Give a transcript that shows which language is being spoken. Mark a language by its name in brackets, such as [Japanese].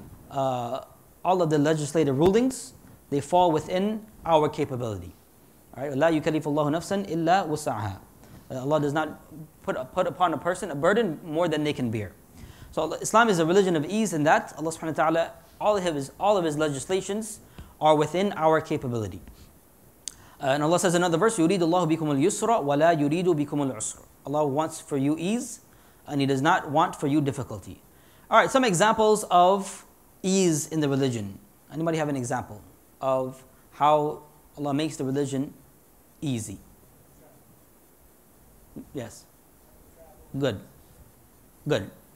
[English] All of the legislative rulings, they fall within our capability. Right? [Arabic] لا يكلف الله نفسا إلا وسعها. [English] Allah does not put upon a person a burden more than they can bear. So Islam is a religion of ease in that Allah subhanahu wa ta'ala, all of his legislations are within our capability. And Allah says another verse, [Arabic] يُرِيدُ اللَّهُ بِكُمُ الْيُسْرَ وَلَا يُرِيدُ بِكُمُ الْعُسْرَ. [English] Allah wants for you ease, and He does not want for you difficulty. All right, some examples of ease in the religion. Anybody have an example of how Allah makes the religion easy? Yes. Good. Good.